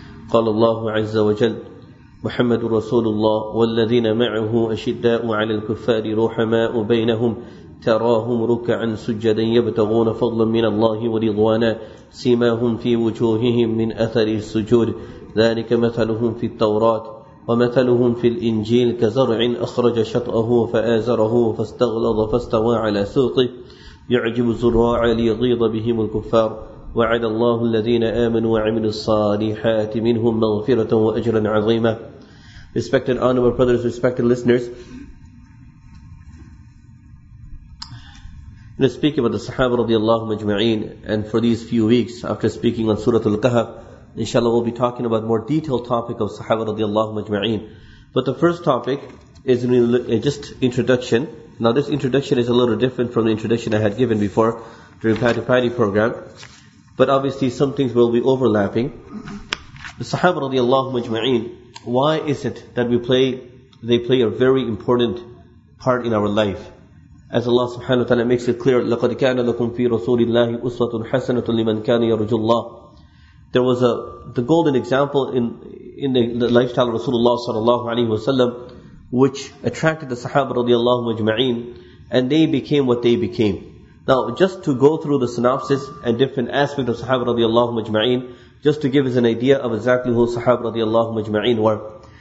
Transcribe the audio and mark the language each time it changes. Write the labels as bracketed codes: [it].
[ar] Qala Allahu 'azza wa jalla: محمد رسول الله والذين معه أشداء على الكفار رحماء بينهم تراهم ركعا سجدا يبتغون فضلا من الله ورضوانا سيماهم في وجوههم من أثر السجود ذلك مثلهم في التوراة ومثلهم في الإنجيل كزرع أخرج شطأه فآزره فاستغلظ فاستوى على سوقه يعجب الزراع ليغيظ بهم الكفار وعد الله الذين آمنوا وعملوا الصالحات منهم مغفرة وأجرا عظيما. [en] Respected honorable brothers, respected listeners, in speaking about the Sahaba radiallahu majma'in, and for these few weeks after speaking on Surah Al-Kahf, inshallah we'll be talking about more detailed topic of Sahaba radiallahu majma'in. But the first topic is just introduction. Now this introduction is a little different from the introduction I had given before during Paddy Paddy program, but obviously some things will be overlapping. The Sahaba radiallahu majma'in, why is it that they play a very important part in our life? As Allah subhanahu wa ta'ala makes it clear, [ar] لَقَدْ كَانَ لَكُمْ فِي رَسُولِ اللَّهِ أُسْوَةٌ حَسَنَةٌ لِمَنْ كَانَ يَرْجُ اللَّهِ. [en] There was the golden example in the lifestyle of Rasulullah sallallahu alayhi wa sallam, which attracted the Sahaba radiallahu majma'in, and they became what they became. Now, just to go through the synopsis and different aspects of Sahaba radiallahu majma'in, just to give us an idea of exactly who Sahaba radiallahu majma'in were.